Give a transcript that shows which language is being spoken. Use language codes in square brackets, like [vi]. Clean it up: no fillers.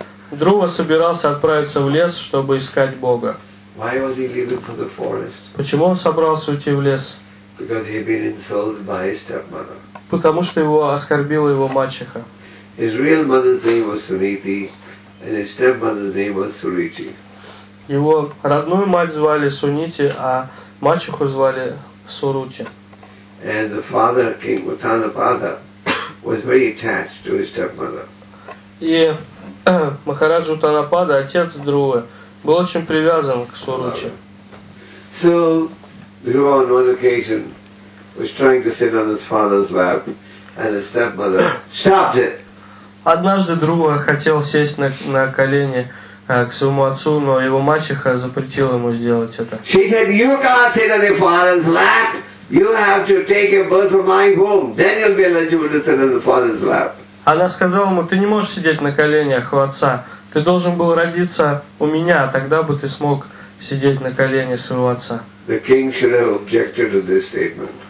[ru] Друва собирался отправиться в лес, чтобы искать Бога. Почему он собрался уйти в лес? [en] Because he had been insulted by his stepmother. [ru] Потому что его оскорбила его мачеха. [en] His real mother's name was Suniti, and his stepmother's name was Suriti. [ru] Его родную мать звали Сунити, а мачеху звали Суручи. [en] And the father, King Uttanapada, was very attached to his stepmother. [ru] И Махараджа Уттанапада, отец Друвы, был очень привязан к Суручи. [en] So Dhruva on one occasion was trying to sit on his father's lap and his stepmother stopped it. [ru] Однажды Дхрува хотел сесть на колени к своему отцу, но его мачеха запретила ему сделать это. [en] She said, you can't sit on your father's lap. You have to take your birth from my womb. Then you'll be eligible to sit on the father's lap. [ru] Она сказала ему, ты не можешь сидеть на коленях у отца. Ты должен был родиться у меня, тогда бы ты смог сидеть на колени своего отца. [en] The king should have objected to this statement.